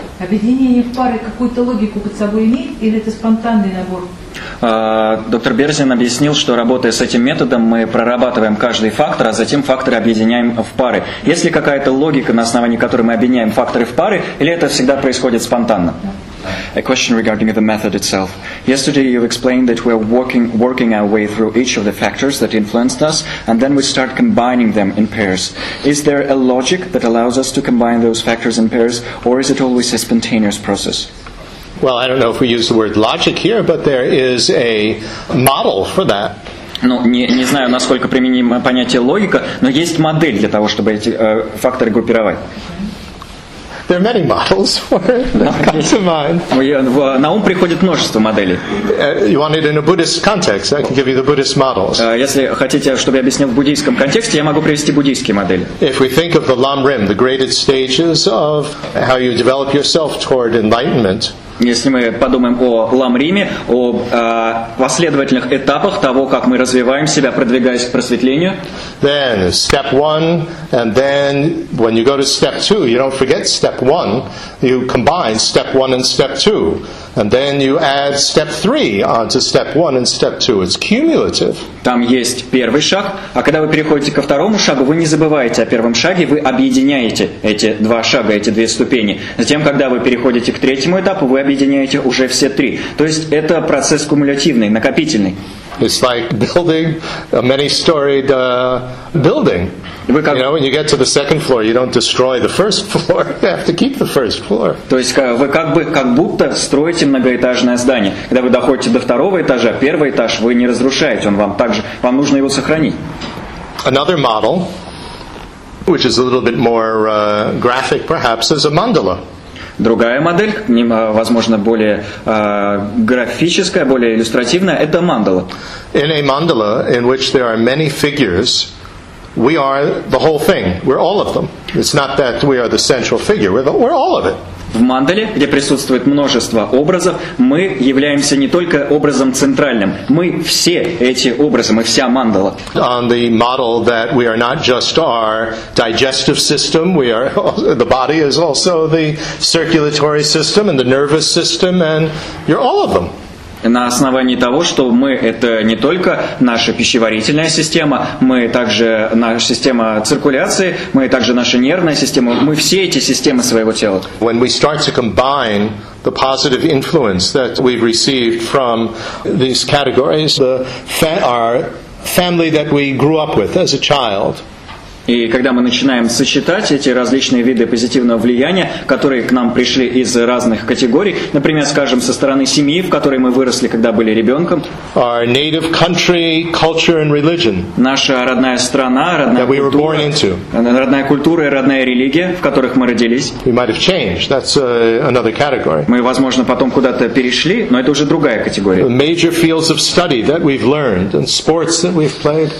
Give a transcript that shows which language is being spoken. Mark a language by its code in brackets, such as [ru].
[ru] Объединение в пары какую-то логику под собой имеет или это спонтанный набор? Доктор Берзин объяснил, что работая с этим методом, мы прорабатываем каждый фактор, а затем факторы объединяем в пары. Есть ли какая-то логика, на основании которой мы объединяем факторы в пары, или это всегда происходит спонтанно? [en] A question regarding the method itself. Yesterday you explained that we're working our way through each of the factors that influenced us, and then we start combining them in pairs. Is there a logic that allows us to combine those factors in pairs, or is it always a spontaneous process? Well, I don't know if we use the word logic here, but there is a model for that. [ru] Ну, не знаю, насколько применимо понятие логика, но есть модель для того, чтобы эти факторы группировать. [en] There are many models that come to mind. [ru] На ум приходит множество моделей. [en] You want it in a Buddhist context? I can give you the Buddhist models. [ru] Если хотите, чтобы я объяснил в буддийском контексте, я могу привести буддийские модели. [en] If we think of the lam rim, the graded stages of how you develop yourself toward enlightenment. [ru] Если мы подумаем о лам риме, о последовательных этапах того, как мы развиваем себя, продвигаясь к просветлению. [en] Then step one, and then when you go to step two, you don't forget step one. You combine step one and step two, and then you add step three onto step one and step two. It's cumulative. [ru] Там есть первый шаг, а когда вы переходите ко второму шагу, вы не забываете о первом шаге, вы объединяете эти два шага, эти две ступени. Затем, когда вы переходите к третьему этапу, вы объединяете уже все три. То есть это процесс кумулятивный, накопительный. [en] It's like building a many-storied building. You know, when you get to the second floor, you don't destroy the first floor. You have to keep the first floor. [ru] То есть вы как будто строите многоэтажное здание. Когда вы доходите до второго этажа, первый этаж вы не разрушаете, он вам также вам нужно его сохранить. [en] Another model, which is a little bit more graphic, perhaps, is a mandala. [ru] Другая модель, возможно, более графическая, более иллюстративная, это мандала. [en] In a mandala, in which there are many figures, we are the whole thing. We're all of them. It's not that we are the central figure. We're all of it. [ru] В мандале, где присутствует множество образов, мы являемся не только образом центральным. Мы все эти образы, мы вся мандала. [en] On the model that we are not just our digestive system, we are the body is also the circulatory system and the nervous system, and you're all of them. [ru] На основании того, что мы – это не только наша пищеварительная система, мы также наша система циркуляции, мы также наша нервная система, мы все эти системы своего тела. [en] When we start to combine the positive influence that we've received from these categories, our family that we grew up with as a child, [ru] и когда мы начинаем сочетать эти различные виды позитивного влияния, которые к нам пришли из разных категорий, например, скажем, со стороны семьи, в которой мы выросли, когда были ребенком, [en] our native country, culture and religion, [ru] наша родная страна, родная [en] that we were born into, [ru] родная культура и родная религия, в которых мы родились, [en] we might have changed. That's another category. [ru] Мы, возможно, потом куда-то перешли, но это уже другая категория. [en] The major fields of study that we've learned and sports that we've played,